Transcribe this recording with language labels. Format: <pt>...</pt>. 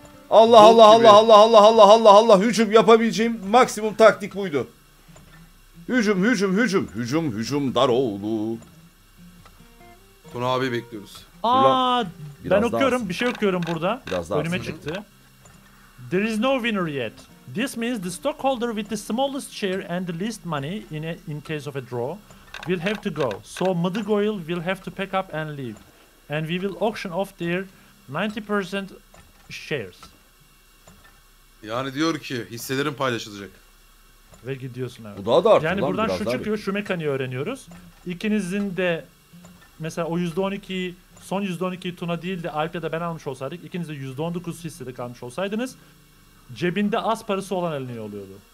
<tr>Allah Allah Allah Allah Allah Allah Allah Allah, hücum yapabileceğim maksimum taktik buydu. Hücum hücum hücum hücum hücum Daroğlu. Tuna abi bekliyoruz. Aa, ben okuyorum, bir şey okuyorum burada. Biraz daha önüme alsın. Çıktı. There is no winner yet.</tr> <en>This means the stockholder with the smallest share and the least money in case of a draw will have to go. So Madig Oil will have to pack up and leave. And we will auction off their 90% shares.</en> <tr>Yani diyor ki hisselerin paylaşılacak. Ve gidiyorsun abi. Bu daha da arttı. Yani buradan şu çıkıyor, şu mekaniği öğreniyoruz. İkinizin de mesela o %12'yi, son %12'yi Tuna değil de Alp ya da ben almış olsaydık, ikiniz de %19 hissede kalmış olsaydınız, cebinde az parası olan eliniyor oluyordu.</tr>